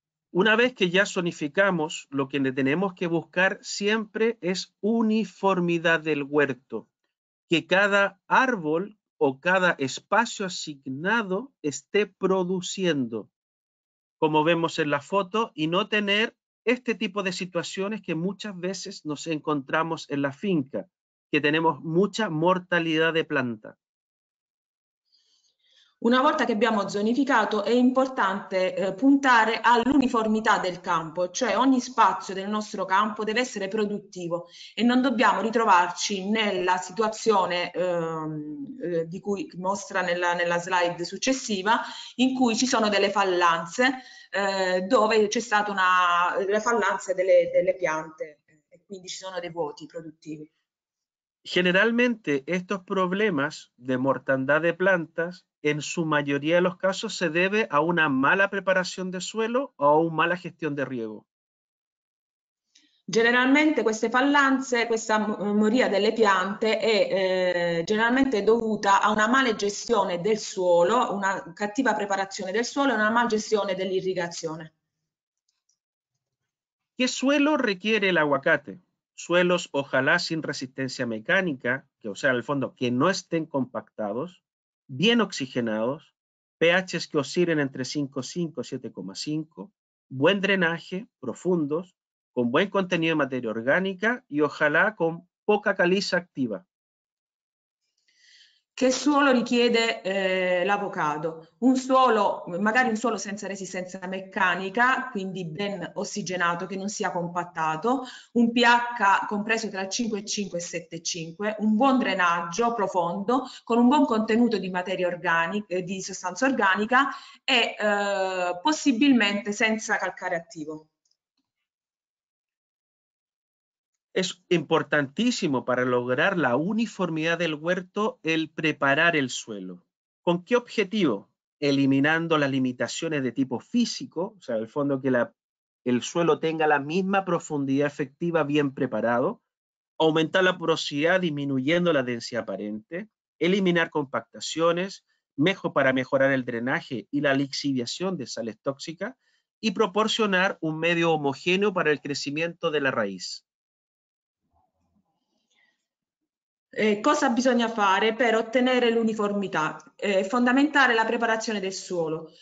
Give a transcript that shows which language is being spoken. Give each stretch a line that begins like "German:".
Spanish: Una vez que ya zonificamos, lo que tenemos que buscar siempre es uniformidad del huerto, que cada árbol o cada espacio asignado esté produciendo, como vemos en la foto, y no tener este tipo de situaciones que muchas veces nos encontramos en la finca, que tenemos mucha mortalidad de planta.
Italian: Una volta che abbiamo zonificato, è importante puntare all'uniformità del campo, cioè ogni spazio del nostro campo deve essere produttivo e non dobbiamo ritrovarci nella situazione di cui mostra nella slide successiva, in cui ci sono delle fallanze dove c'è stata le fallanze delle piante e quindi ci sono dei vuoti produttivi.
Spanish: Generalmente estos problemas de mortandad de plantas, en su mayoría de los casos, se debe a una mala preparación de suelo o a una mala gestión de riego.
Italian: Generalmente queste fallanze, questa moria delle piante è generalmente dovuta a una male gestione del suolo, una cattiva preparazione del suolo e una mala gestione dell'irrigazione.
Spanish: ¿Qué suelo requiere el aguacate? Suelos ojalá sin resistencia mecánica, que o sea, en el fondo, que no estén compactados, bien oxigenados, pHs que oscilen entre 5,5 y 7,5, buen drenaje, profundos, con buen contenido de materia orgánica y ojalá con poca caliza activa.
Italian: Che suolo richiede l'avocado? Un suolo, magari un suolo senza resistenza meccanica, quindi ben ossigenato, che non sia compattato, un pH compreso tra 5,5 e 7,5, un buon drenaggio profondo, con un buon contenuto di materia organica, di sostanza organica e possibilmente senza calcare attivo.
Spanish: Es importantísimo para lograr la uniformidad del huerto el preparar el suelo. ¿Con qué objetivo? Eliminando las limitaciones de tipo físico, o sea, el fondo que el suelo tenga la misma profundidad efectiva bien preparado, aumentar la porosidad disminuyendo la densidad aparente, eliminar compactaciones, para mejorar el drenaje y la lixiviación de sales tóxicas y proporcionar un medio homogéneo para el crecimiento de la raíz.
Italian: Cosa bisogna fare per ottenere l'uniformità? Fondamentale la preparazione del suolo.